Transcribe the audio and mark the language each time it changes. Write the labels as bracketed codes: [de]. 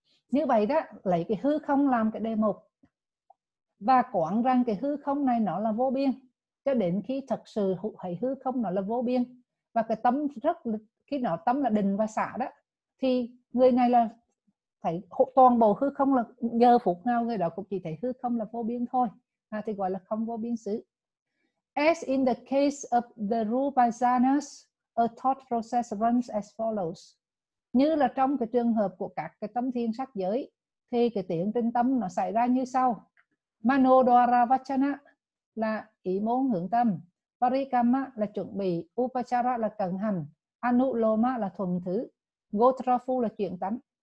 [vi] Như vậy đó, lấy cái hư không làm cái đề mục và quán rằng cái hư không này nó là vô biên, cho đến khi thật sự thấy hư không nó là vô biên và cái tâm rất, khi nó tâm là định và xả đó, thì người này là thấy toàn bộ hư không là giờ phục nào, người đó cũng chỉ thấy hư không là vô biên thôi. À, thì gọi là không vô biên xứ. [en] As in the case of the Rupasanas, a thought process runs as follows. [vi] Như là trong cái trường hợp của các cái tâm thiên sắc giới, thì cái tiếng trên tâm nó xảy ra như sau. Manodwara vachana là ý môn hướng tâm, parikama là chuẩn bị, upachara là cần hành, anuloma là thuần thứ, gotrafu là chuyển tánh.